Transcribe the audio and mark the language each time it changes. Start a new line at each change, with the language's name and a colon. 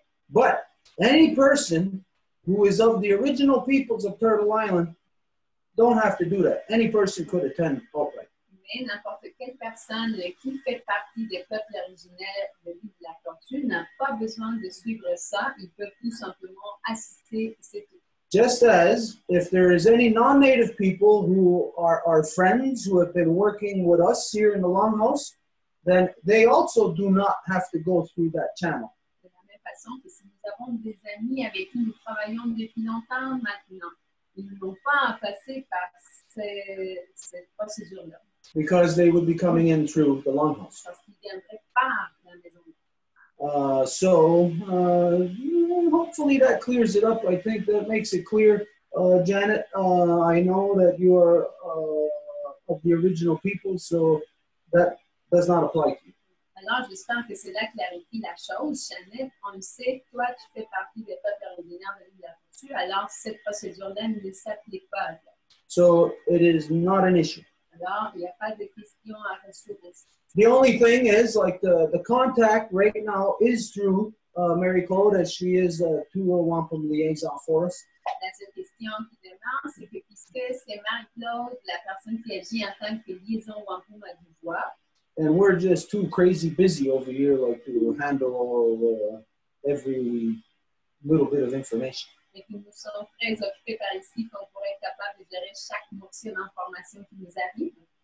English: But any person who is of the original peoples of Turtle Island don't have to do that. Any person could attend outright.
French: Mais n'importe quelle personne qui fait partie des peuples originaires de l'île de la Tortue n'a pas besoin de suivre ça. Il peut tout simplement assister.
English: Just as if there is any non-native people who are our friends who have been working with us here in the Longhouse, then they also do not have to go through that channel.
French: De la même façon que si nous avons des amis avec qui nous travaillons depuis longtemps maintenant, ils n'ont pas à passer par cette procédure-là.
English: Because they would be coming in through the Longhouse.
French: Parce qu'ils viendraient par la maison.
English: Hopefully that clears it up. I think that makes it clear. Janet, I know that you are of the original people, so that does not apply to you.
French: Alors, j'espère que cela clarifie la chose. Janet, on sait, toi, tu fais partie des peuples originaires de l'île de la Tortue, alors cette procédure-là ne s'applique pas.
English: So, it is not an issue.
French: Alors, il n'y a pas de question à résoudre.
English: The only thing is, like, the contact right now is through Marie-Claude, as she is a Deux Voies Wampum liaison for us.
French: La seule question qui demande, c'est que puisque c'est Marie-Claude, la personne qui agit en tant que liaison Wampum à Deux Voies.
English: And we're just too crazy busy over here, like, to handle all every little bit of information.
French: Et que nous sommes très occupés par ici, qu'on pourrait être capable de gérer chaque morceau d'information qui nous arrive.